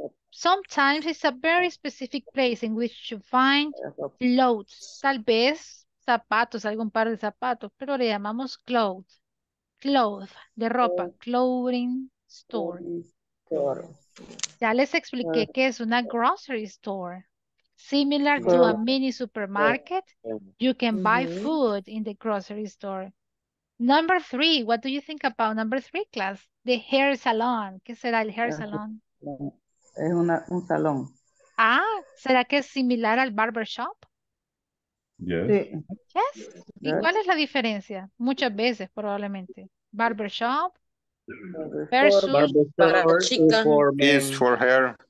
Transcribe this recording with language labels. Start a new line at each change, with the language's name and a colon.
English: Sometimes it's a very specific place in which you find clothes.
Spanish: Tal vez zapatos, algún par de zapatos, pero le llamamos clothes.
English: Clothes,
Spanish: de ropa.
English: Clothing store.
Spanish: Ya les expliqué que es una grocery store.
English: Similar to a mini supermarket, you can buy food in the grocery store. Number three, what do you think about number three, class? The hair salon.
Spanish: ¿Qué será el
English: hair salon?
Spanish: Es un salón. Ah, ¿será que es similar al barber shop?
English: Yes.
Spanish: Yes. ¿Y cuál es la diferencia? Muchas veces, probablemente.
English: Barber shop versus barber chica. It's for hair.